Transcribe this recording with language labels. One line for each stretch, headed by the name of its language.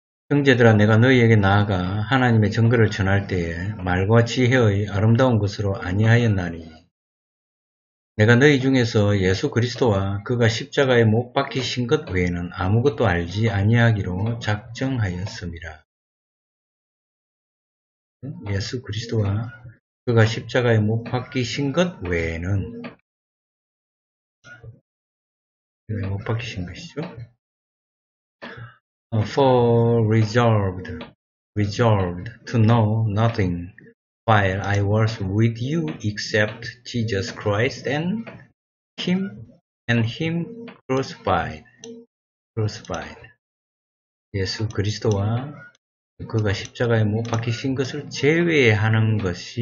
Korean: 형제들아 내가 너희에게 나아가 하나님의 증거를 전할 때에 말과 지혜의 아름다운 것으로 아니하였나니 내가 너희 중에서 예수 그리스도와 그가 십자가에 못 박히신 것 외에는 아무것도 알지 아니하기로 작정하였습니다. 예수 그리스도와 그가 십자가에 못 박히신 것 외에는 못 박히신 것이죠.
English: For resolved to know nothing while I was with you except Jesus Christ and him crucified.
Korean: 예수 그리스도와 그가 십자가에 못 박히신 것을 제외하는 것.